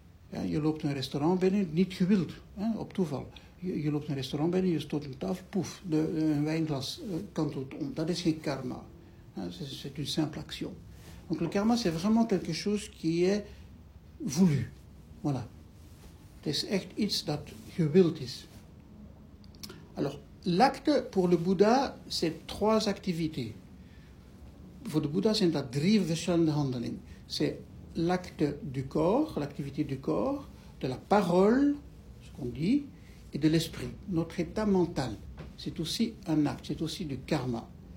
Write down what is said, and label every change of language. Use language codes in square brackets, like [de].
[nl] Ja, je loopt een restaurant binnen, niet gewild, hè, op toeval. Je loopt een restaurant binnen, je stoot een tafel, poef, een wijnglas kantelt om. Dat is geen karma. [fr] C'est une simple action. Donc le karma, c'est vraiment quelque chose qui est voulu. Voilà. [nl] Het is echt iets dat gewild is. [fr] Alors, l'acte, pour le Bouddha, c'est trois activités. [nl] Voor de Bouddha, zijn dat drie verschillende handelingen. [fr] C'est l'acte du corps, l'activité du corps, de la parole, ce qu'on dit, et de l'esprit, notre état mental. C'est aussi un acte, c'est aussi du karma.